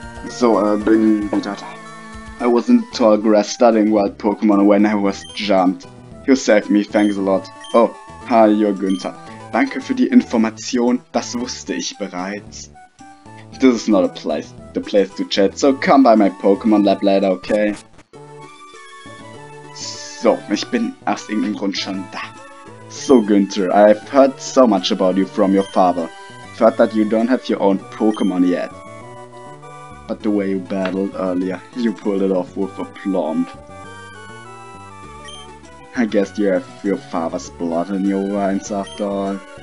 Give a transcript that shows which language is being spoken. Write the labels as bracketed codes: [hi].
[en] So, bin I was in the tall grass studying wild Pokemon when I was jumped. You saved me, thanks a lot. Oh, hallo Günther. [de] Danke für die Information, das wusste ich bereits. [en] This is not a place, the place to chat, so come by my Pokemon Lab later, okay? [de] So, ich bin aus irgendeinem Grund schon da. [en] So Günther, I've heard so much about you from your father. I've heard that you don't have your own Pokemon yet. But the way you battled earlier, you pulled it off with aplomb. I guess you have your father's blood in your veins after all.